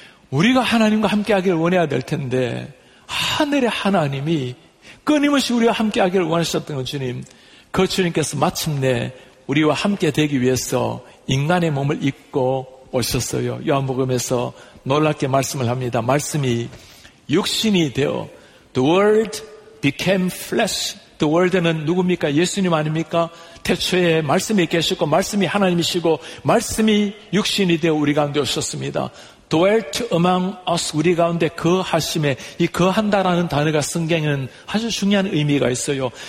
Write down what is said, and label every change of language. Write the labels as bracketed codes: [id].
[ko] 우리가 하나님과 함께 하기를 원해야 될 텐데 하늘의 하나님이 끊임없이 우리와 함께 하기를 원하셨던 그 주님, 그 주님께서 마침내 우리와 함께 되기 위해서 인간의 몸을 입고 오셨어요. 요한복음에서 놀랍게 말씀을 합니다. 말씀이 육신이 되어 [en] The world became flesh. [ko] The world는 누굽니까? 예수님 아닙니까? 태초에 말씀이 계셨고 말씀이 하나님이시고 말씀이 육신이 되어 우리 가운데 오셨습니다. [en] Dwelt among us, [ko] 우리 가운데 거하심에, 이 거한다라는 단어가 성경에는 아주 중요한 의미가 있어요.